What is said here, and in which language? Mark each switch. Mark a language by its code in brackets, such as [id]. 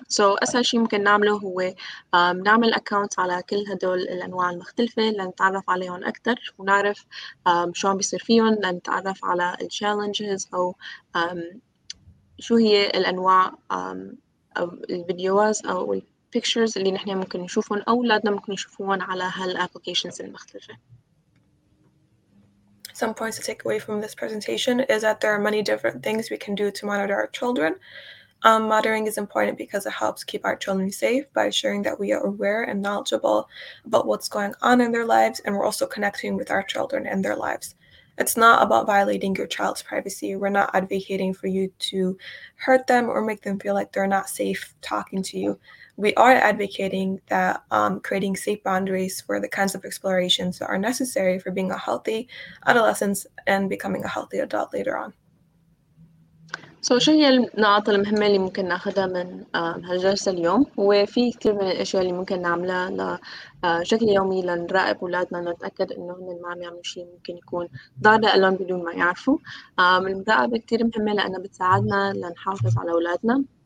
[ar] So أسهل شيء ممكن نعمله هو نعمل أكاونت على كل هدول الأنواع المختلفة لنتعرف عليهم أكثر ونعرف شو عم بيصير فيهم، لنتعرف على الشالنجز أو شو هي الأنواع أو الفيديوز أو البيكتشرز اللي نحن ممكن نشوفهم أو أولادنا ممكن يشوفون على هالأبليكيشنز المختلفة. [en] Some points to take away from this presentation is that there are many different things we can do to monitor our children. Monitoring is important because it helps keep our children safe by ensuring that we are aware and knowledgeable about what's going on in their lives, and we're also connecting with our children and their lives. It's not about violating your child's privacy. We're not advocating for you to hurt them or make them feel like they're not safe talking to you. We are advocating that creating safe boundaries for the kinds of explorations that are necessary for being a healthy adolescent and becoming a healthy adult later on. [ar] So, شو هي النقاط المهمة اللي ممكن ناخدها من هالجلسة اليوم؟ هو في كتير من الأشياء اللي ممكن نعملها لشكل يومي لنراقب أولادنا، نتأكد إنه ما عم يعملوا شيء ممكن يكون ضار لهم بدون ما يعرفوا. المراقبة كتير مهمة لأنها بتساعدنا لنحافظ على أولادنا.